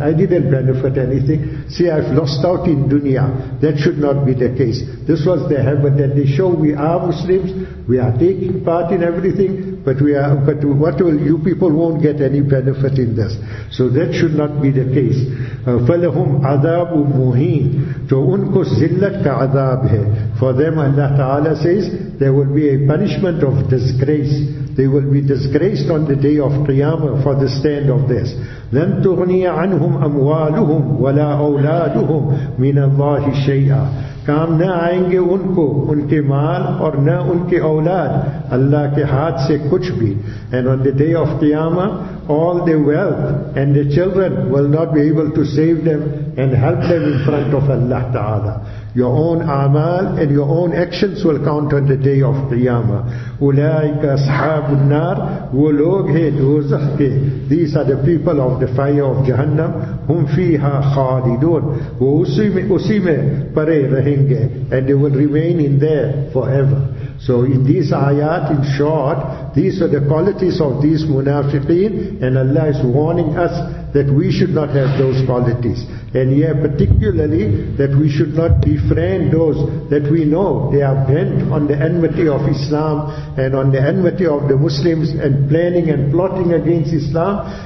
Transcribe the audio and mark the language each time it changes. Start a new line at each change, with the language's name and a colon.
English: I didn't benefit anything. See, I've lost out in dunya. That should not be the case. This was the habit that they show we are Muslims. We are taking part in everything. But what will you people won't get any benefit in this. So that should not be the case.
Arabic: فَلَهُمْ عَذَابُ مُحِينَ
Urdu: تو ان کو ذلت کا عذاب ہے.
English: For them Allah Ta'ala says there will be a punishment of disgrace. They will be disgraced on the day of Qiyamah for the stand of this.
Arabic: لَن تُغْنِيَ عَنْهُمْ أَمْوَالُهُمْ وَلَا أَوْلَادُهُمْ مِنَ اللَّهِ شَيْئًا
Urdu: کام نہ آئیں گے ان کو ان کے مال اور نہ ان کے اولاد اللہ کے ہاتھ سے کچھ بھی.
English: And on the day of Qiyamah, all their wealth and their children will not be able to save them and help them in front of Allah Ta'ala. Your own amal and your own actions will count on the day of Qiyamah.
Arabic: أُولَٰئِكَ أَصْحَابُ النَّارِ
Urdu: وہ لوگ ہیں دوزخ کے.
English: These are the people of the fire of Jahannam.
Arabic: هُمْ فِيهَا خَالِدُونَ
Urdu: وہ اسی میں پرے رہیں گے.
English: And they will remain in there forever. So in these ayat, in short, these are the qualities of these munafiqeen, and Allah is warning us that we should not have those qualities. And yeah, particularly that we should not befriend those that we know they are bent on the enmity of Islam and on the enmity of the Muslims and planning and plotting against Islam.